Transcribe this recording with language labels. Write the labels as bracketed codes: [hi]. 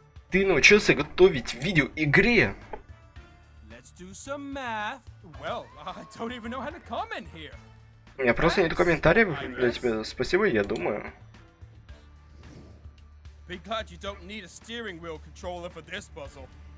[ru] Ты научился готовить в видеоигре. [en] Do some math. Well, I don't even know how to comment here. [ru] У меня просто нет комментариев для тебя. Спасибо, я думаю. [en] Be glad you don't need a steering wheel controller for this puzzle.